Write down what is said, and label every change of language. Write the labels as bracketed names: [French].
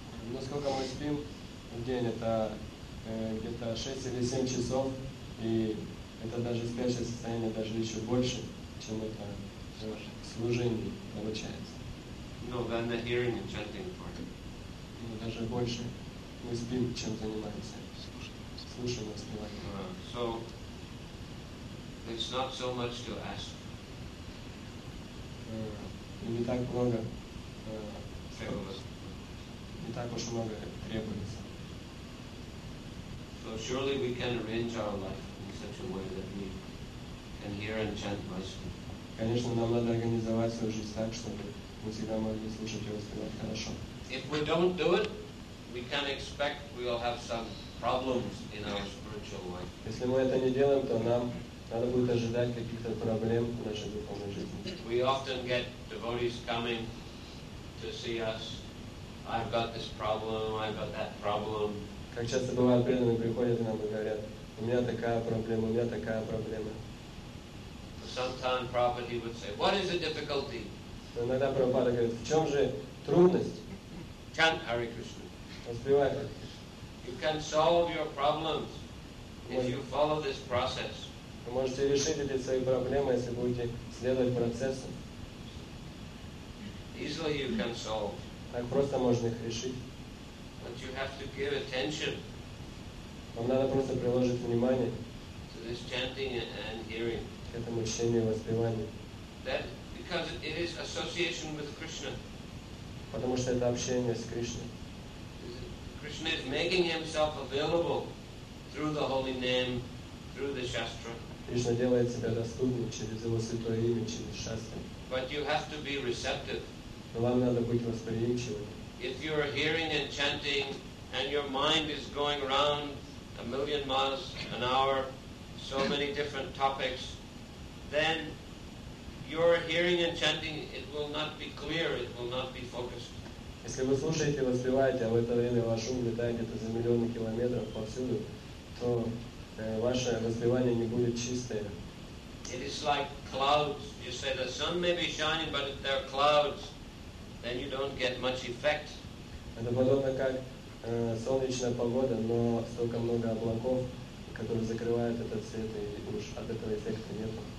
[Russian] Ну сколько мы спим в день? Это где-то 6 или 7 часов, и это даже спящее состояние даже еще больше, чем это служение получается. [English] No, than the hearing and chanting part. [Russian] Ну даже больше. Мы спим, чем занимаемся. Слушаем, воспеваем. [English] So, it's not so much to ask. [Russian] Не так много. Требуется. Не так уж много требуется. [English] So, surely we can arrange our life in such a way that we can hear and chant Vaishnava. [Russian] Конечно, нам надо организовать свою жизнь так, чтобы мы всегда могли слушать и воспевать хорошо. [English] If we don't do it, we can expect we'll have some problems in our spiritual life. [Russian] Если мы это не делаем, то нам надо будет ожидать каких-то проблем в нашей духовной жизни. [English] We often get devotees coming to see us. I've got this problem, I've got that problem. [Russian] Как часто бывает, преданные приходят к нам и говорят, у меня такая проблема, у меня такая проблема. [English] Sometimes Prabhupada would say, what is the difficulty? [Russian] Иногда Прабхупада говорит, в чем же трудность? [English] Chant Hare Krishna. [Russian] Воспевайте. [English] You can solve your problems if you follow this process. [Russian] Вы можете решить эти свои проблемы, если будете следовать процессу. [English] Easily you can solve. [Russian] Так просто можно их решить. [English] But you have to give attention. [Russian] Вам надо просто приложить внимание. [English] To this chanting and hearing. [Russian] К этому чтению и воспеванию. [English] That because it is association with Krishna. [Russian] Потому что это общение с Кришной. [English] Krishna is making himself available through the holy name, through the shastra. [Russian] Кришна делает себя доступным через его святое имя, через шастру. [English] But you have to be receptive. [Russian] Но вам надо быть восприимчивым. [English] If you are hearing and chanting and your mind is going around a million miles an hour, so many different topics, then your hearing and chanting, it will not be clear, it will not be focused. [Russian] Если вы слушаете, воспеваете, а в это время ваш ум летает где-то за миллионы километров повсюду, то ваше воспевание не будет чистое. [English] It is like clouds. You say the sun may be shining, but if there are clouds, then you don't get much effect. [Russian] Это подобно как солнечная погода, но столько много облаков, которые закрывают этот свет, и уж от этого эффекта нет.